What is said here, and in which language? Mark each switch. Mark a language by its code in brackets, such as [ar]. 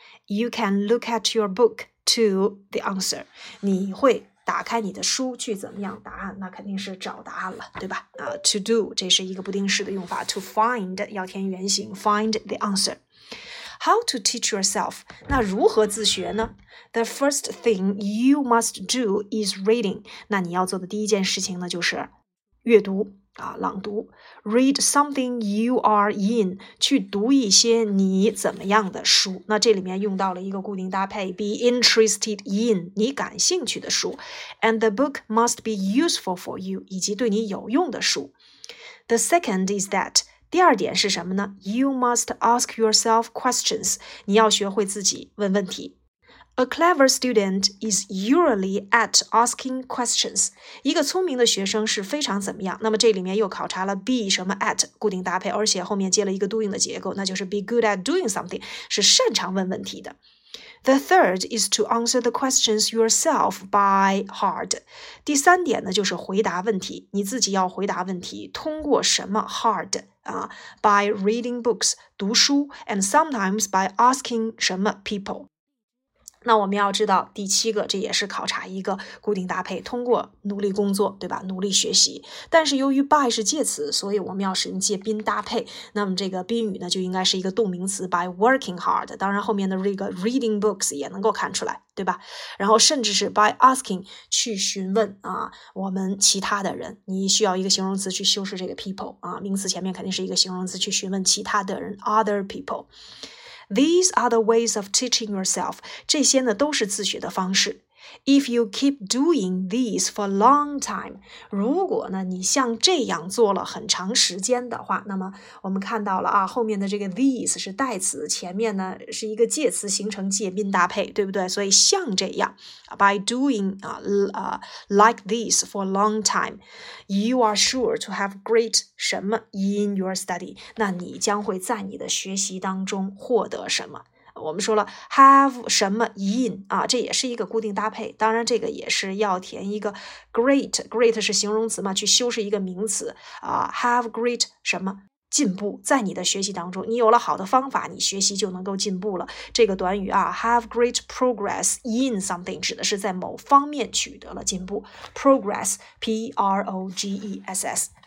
[en] You can look at your book to the answer. [zh] 你会打开你的书去怎么样答案？那肯定是找答案了，对吧？ [en] to do, [zh] 这是一个不定式的用法。 [en] To find, [zh] 要填原形， [en] find the answer. How to teach yourself? [zh] 那如何自学呢？ [en] The first thing you must do is reading. [zh] 那你要做的第一件事情呢就是阅读啊，朗读。 [en] Read something you are in, [zh] 去读一些你怎么样的书。那这里面用到了一个固定搭配， [en] be interested in, [zh] 你感兴趣的书。 [en] And the book must be useful for you, [zh] 以及对你有用的书。 [en] The second is that, [zh] 第二点是什么呢？ [en] You must ask yourself questions, [zh] 你要学会自己问问题。 [en] A clever student is usually at asking questions. [zh] 一个聪明的学生是非常怎么样？那么这里面又考察了 be 什么 at 固定搭配，而且后面接了一个 doing 的结构，那就是 [en] be good at doing something, [zh] 是擅长问问题的。 [en] The third is to answer the questions yourself by heart. [zh] 第三点呢，就是回答问题，你自己要回答问题，通过什么 heart? [en] by reading books, [zh] 读书 [en] and sometimes by asking 什么 people. [zh] 那我们要知道第七个，这也是考察一个固定搭配，通过努力工作，对吧，努力学习。但是由于 by 是介词，所以我们要使用介宾搭配，那么这个宾语呢就应该是一个动名词 [en] by working hard, [zh] 当然后面的这个 [en] reading books [zh] 也能够看出来，对吧，然后甚至是 [en] by asking [zh] 去询问啊，我们其他的人，你需要一个形容词去修饰这个 people, 啊，名词前面肯定是一个形容词去询问其他的人 [en] other people。 These are the ways of teaching yourself. [zh] 这些呢都是自学的方式。 [en] If you keep doing these for a long time, [zh] 如果呢你像这样做了很长时间的话，那么我们看到了啊，后面的这个 these 是代词，前面呢是一个介词，形成介宾搭配，对不对？所以像这样 [en] ，by doing like these for a long time, you are sure to have great 什么 in your study. [zh] 那你将会在你的学习当中获得什么？我们说了 have 什么 in 啊，这也是一个固定搭配，当然这个也是要填一个 great 是形容词嘛，去修饰一个名词啊， have great 什么进步，在你的学习当中你有了好的方法，你学习就能够进步了，这个短语啊 [en] have great progress in something [zh] 指的是在某方面取得了进步， progress P-R-O-G-E-S-S。